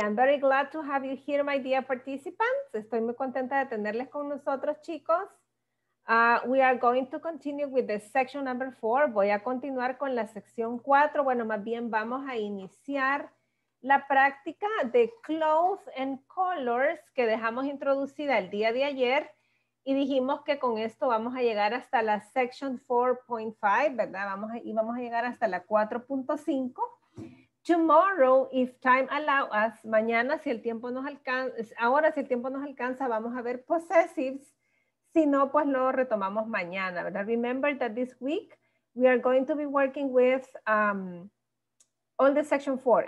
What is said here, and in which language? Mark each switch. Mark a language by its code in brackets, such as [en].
[en] I'm very glad to have you here, my dear participants. [es] Estoy muy contenta de tenerles con nosotros, chicos. [en] We are going to continue with the section number 4. [es] Voy a continuar con la sección 4. Bueno, más bien vamos a iniciar la práctica de clothes and colors que dejamos introducida el día de ayer y dijimos que con esto vamos a llegar hasta la section 4.5, ¿verdad? Vamos a llegar hasta la 4.5. [en] Tomorrow, if time allows us, [es] mañana si el tiempo nos alcanza, ahora si el tiempo nos alcanza, vamos a ver possessives. Si no, pues lo retomamos mañana, ¿verdad? [en] Remember that this week we are going to be working with all the section 4.